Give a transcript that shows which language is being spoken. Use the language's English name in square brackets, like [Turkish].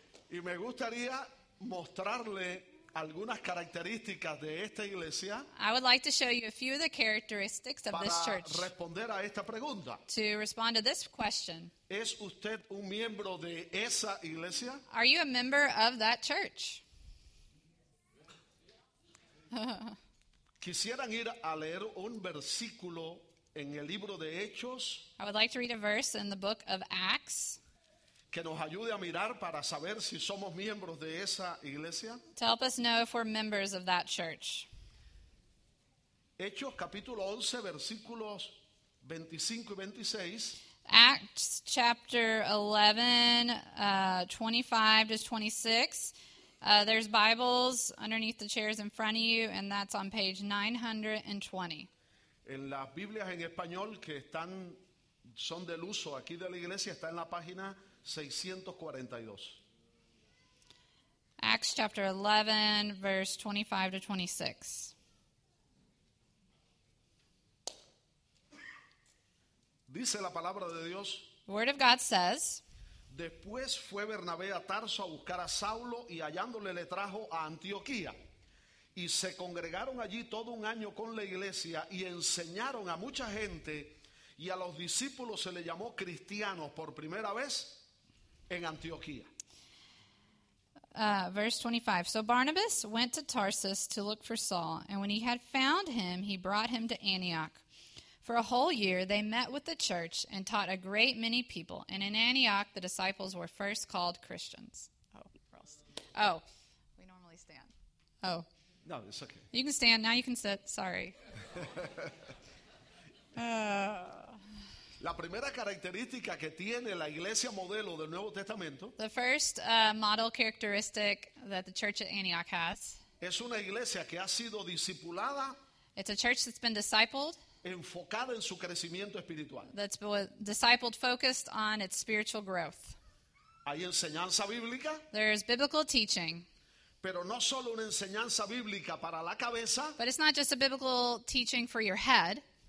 [Spanish] Y me gustaría mostrarle algunas características de esta iglesia. [English] I would like to show you a few of the characteristics of this church. [Spanish] Para responder a esta pregunta. [English] To respond to this question. [Spanish] ¿Es usted un miembro de esa iglesia? [English] Are you a member of that church? [Spanish] Quisieran ir a leer un versículo en el libro de Hechos. [English] I would like to read a verse in the book of Acts. [Spanish] Que nos ayude a mirar para saber si somos miembros de esa iglesia. [English] To help us know if we're members of that church. [Spanish] Hechos capítulo 11, versículos 25 y 26. [English] Acts chapter 11, 25 to 26. There's Bibles underneath the chairs in front of you, and that's on page 920. [Spanish] En las Biblias en español que están, son del uso aquí de la iglesia, está en la página 642. [English] Acts chapter 11, verse 25 to 26. [Spanish] Dice la palabra de Dios. [English] The word of God says. [Spanish] Después fue Bernabé a Tarso a buscar a Saulo y hallándole le trajo a Antioquía. Y se congregaron allí todo un año con la iglesia y enseñaron a mucha gente y a los discípulos se le llamó cristianos por primera vez en Antioquía. [English] Verse 25. So Barnabas went to Tarsus to look for Saul, and when he had found him, he brought him to Antioch. For a whole year they met with the church and taught a great many people, and in Antioch the disciples were first called Christians. We normally stand. No, it's okay. You can stand. Now you can sit. Sorry. [Spanish] La primera característica que tiene la iglesia modelo del Nuevo Testamento. [English] The first model characteristic that the church at Antioch has. [Spanish] Es una iglesia que ha sido discipulada. [English] It's a church that's been discipled. [Spanish] Enfocada en su crecimiento espiritual. [English] That's discipled, focused on its spiritual growth. [Spanish] Hay enseñanza bíblica. [English] There's biblical teaching. [Spanish] Pero no solo una enseñanza bíblica para la cabeza. [English] But it's not just a biblical teaching for your head.